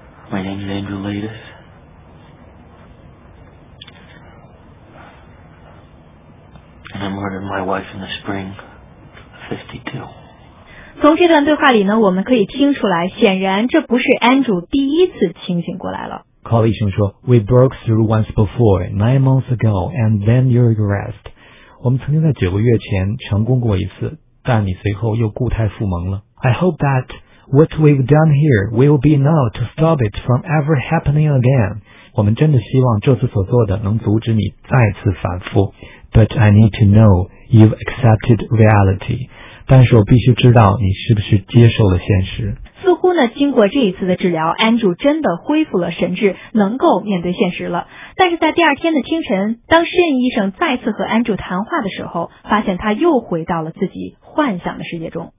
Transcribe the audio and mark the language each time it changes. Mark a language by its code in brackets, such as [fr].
[en] My name is Andrew Latus. And I murdered my wife in the spring of 52. [zh] 从这段对话里呢，我们可以听出来，显然这不是 Andrew 第一次清醒过来了。 [en] Collie [zh] 医生说 [en] ,We broke through once before, 9 months ago, and then you regressed. [zh] 我们曾经在9个月前成功过一次，但你随后又固态复萌了。 [en] I hope that what we've done here will be enough to stop it from ever happening again. [zh] 我们真的希望这次所做的能阻止你再次反复。 [en] But I need to know you've accepted reality. [zh] 但是我必须知道你是不是接受了现实。似乎呢，经过这一次的治疗， Andrew 真的恢复了神智，能够面对现实了。但是在第二天的清晨，当实验医生再次和 Andrew 谈话的时候，发现他又回到了自己幻想的世界中。